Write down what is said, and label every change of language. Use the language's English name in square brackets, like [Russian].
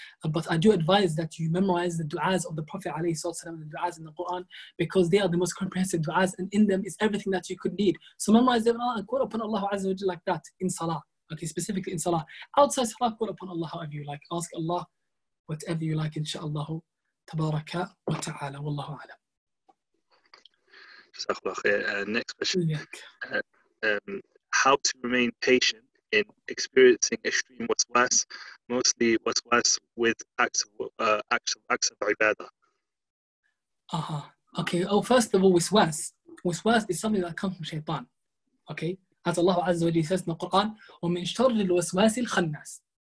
[English] But I do advise that you memorize the du'as of the Prophet alayhi salatu wasalam, the du'as in the Quran, because they are the most comprehensive du'as, and in them is everything that you could need. So memorize them and call upon Allah Azza wa Jalla like that in salah. Okay, specifically in salah. Outside salah, call upon Allah however you like. Ask Allah whatever you like, inshallah [Arabic] تبارك وتعالى والله أعلم. جزاك الله خير. [English] Next question. How to remain patient in experiencing extreme waswas, mostly waswas with acts of ibadah. Okay. Oh, first of all, waswas. Waswas is something that comes from shaitan. Okay. As Allah Azza wa Jalla says in the Quran, [Arabic] وَمِنْ شَرِّ الْوَسْوَاسِ الْخَنَّاسِ.